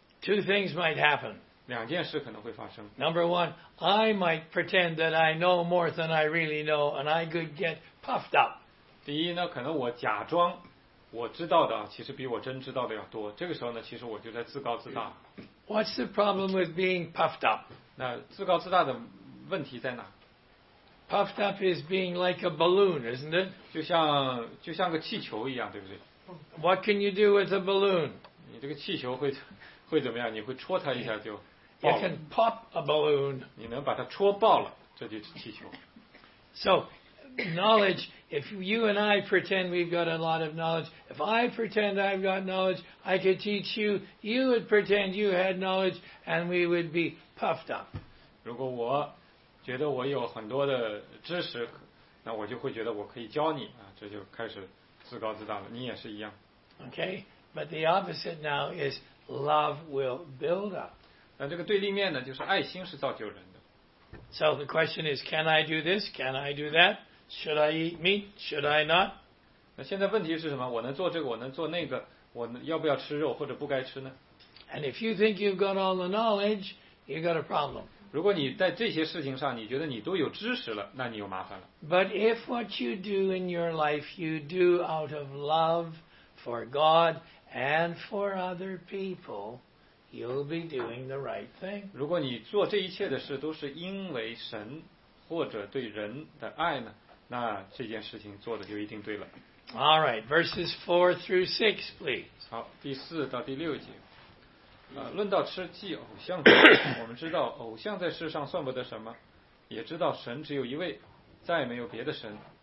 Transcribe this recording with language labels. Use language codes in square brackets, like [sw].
[en] two things might happen. [zh] 两件事可能会发生。 [en] Number one, I might pretend that I know more than I really know, and I could get puffed up. [zh] 第一呢，可能我假装我知道的，其实比我真知道的要多。这个时候呢，其实我就在自高自大。 [en] What's the problem with being puffed up? [zh] 那自高自大的问题在哪 [en] ？Puffed up is being like a balloon, isn't it? [zh] 就像个气球一样，对不对 [en] ？What can you do with a balloon? [zh] 你这个气球会。会怎么样？你会戳它一下就爆了。 [en] You can pop a balloon. [zh] 你能把它戳爆了，这就是气球。 [en] So, knowledge. If you and I pretend we've got a lot of knowledge, if I pretend I've got knowledge, I could teach you. You would pretend you had knowledge, and we would be puffed up. [zh] 如果我觉得我有很多的知识，那我就会觉得我可以教你啊，这就开始自高自大了。你也是一样。 [en] Okay, but the opposite now is. Love will build up. [zh] 那这个对立面呢，就是爱心是造就人的。 [en] So the question is, can I do this? Can I do that? Should I eat meat? Should I not? [zh] 那现在问题是什么？我能做这个，我能做那个，我要不要吃肉或者不该吃呢 [en] ？And if you think you've got all the knowledge, you've got a problem. [zh] 如果你在这些事情上你觉得你都有知识了，那你有麻烦了。 [en] But if what you do in your life you do out of love for God. And for other people, you'll be doing the right thing. [zh] 如果你做这一切的事都是因为神或者对人的爱呢，那这件事情做的就一定对了。 [en] All right, verses 4 through 6, please. [zh] 好，第四到第六节。论到吃祭偶像的，我们知道偶像在世上算不得什么，也知道神只有一位，再没有别的神。